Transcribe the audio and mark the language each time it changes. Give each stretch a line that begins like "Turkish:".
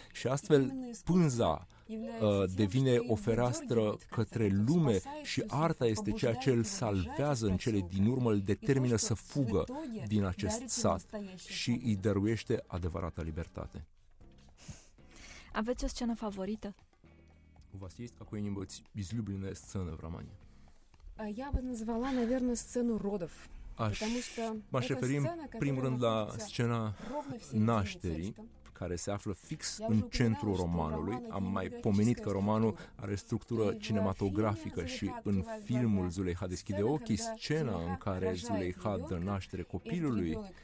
Romanian: Și astfel pânza devine o fereastră către lume și arta este ceea ce îl salvează în cele din urmă, îl determină să fugă din acest sat și îi dăruiește adevărata libertate. Aveți o scenă favorită?
Russian: У вас есть какая-нибудь излюбленная сцена в романе? Я бы назвала, наверное, сцену родов.
Romanian: M-aș referi în primul rând la scena nașterii, care se află fix în centrul romanului. Am mai pomenit că romanul are structură cinematografică și în filmul Zuleiha deschide ochii, scena în care Zuleiha dă naștere copilului